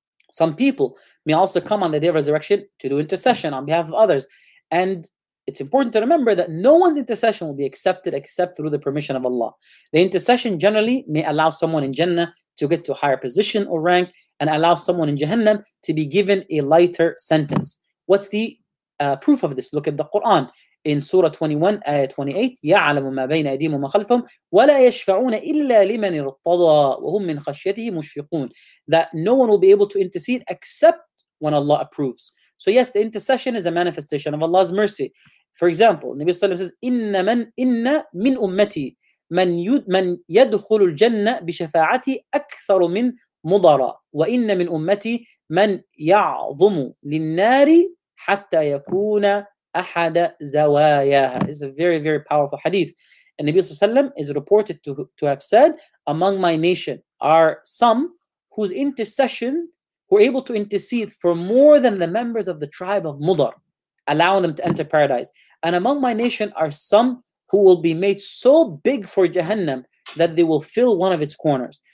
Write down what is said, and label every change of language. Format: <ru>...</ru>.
<en>Some people may also come on the day of resurrection to do intercession on behalf of others. And it's important to remember that no one's intercession will be accepted except through the permission of Allah. The intercession generally may allow someone in Jannah to get to a higher position or rank and allow someone in Jahannam to be given a lighter sentence. What's the proof of this? Look at the Quran. In Surah 21, Ayah 28,</en> <ar>يَعْلَمُ مَا بَيْنَ أَيْدِيهِمْ وَمَا خَلْفَهُمْ وَلَا يَشْفَعُونَ إِلَّا لِمَنِ ارْتَضَى وَهُمْ مِنْ خَشْيَتِهِ مُشْفِقُونَ.</ar> <en>That no one will be able to intercede except when Allah approves. So yes, the intercession is a manifestation of Allah's mercy. For example, Nabi Sallallahu Alaihi Wasallam says,</en> <ar>إِنَّ مِنْ أُمَّتِي مَنْ يَدْخُلُ الْجَنَّةِ بِشَفَاعَتِي أَكْثَرُ مِنْ مُضَرَى وَإِنَّ مِنْ أُمَّتِي مَنْ يَعْظُمُ لِلنَّارِ حَتَّى يَكُونَ أحد زواياها.</ar> <en>It's a very, very powerful hadith. And Nabi Sallam is reported to have said, among my nation are some whose intercession were able to intercede for more than the members of the tribe of Mudar, allowing them to enter paradise. And among my nation are some who will be made so big for Jahannam that they will fill one of its corners.</en>